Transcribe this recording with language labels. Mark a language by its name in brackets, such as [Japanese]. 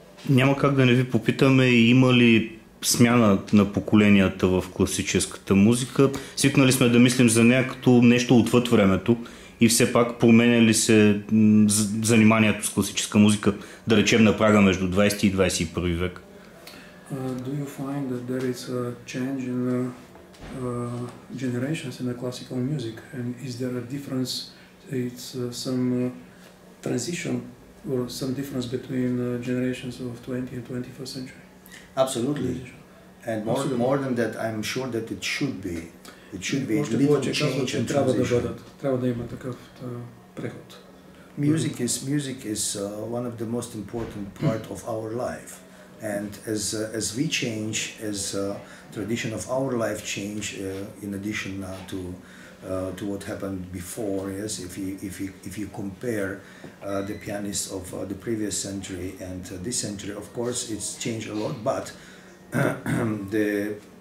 [Bulgarian] Няма как да не ви попитаме, има ли смяна на поколенията в класическата музика? Свикнали сме да мислим за нея като нещо отвъд времето и все пак променя ли се заниманието с класическа музика, да речем на прага между 20 и 21 век? [English] Do you find that there is a change in the generations in the classical music? And is there a difference, it's some transition or some difference between generations of 20 and 21st century? Absolutely. And more than that, I'm sure that it should be. It should be a little change and transition. [Bulgarian] Трябва да има такъв преход. [English] Music is one of the most important part of our life. And as we change, as tradition of our life change, in addition to what happened before, yes, if you compare the pianists of the previous century and this century, of course it's changed a lot, but the